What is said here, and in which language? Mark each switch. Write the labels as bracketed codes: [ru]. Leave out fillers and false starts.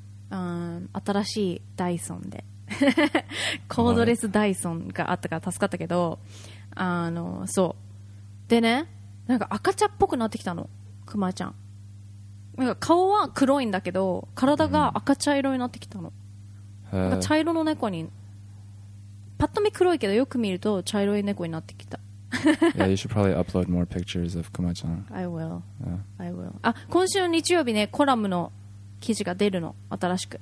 [ja] 新しいダイソンで、コードレスダイソンがあったから助かったけど、あの、そう。でね、なんか赤茶っぽくなってきたの、クマちゃん。なんか顔は黒いんだけど、体が赤茶色になってきたの。なんか茶色の猫に、パッと見黒いけどよく見ると茶色い猫になってきた。 [en] Yeah, you should probably upload more pictures of Kuma-chan. I will. Yeah. I will. [ja] あ、今週日曜日ね、コラムの記事が出るの、新しく。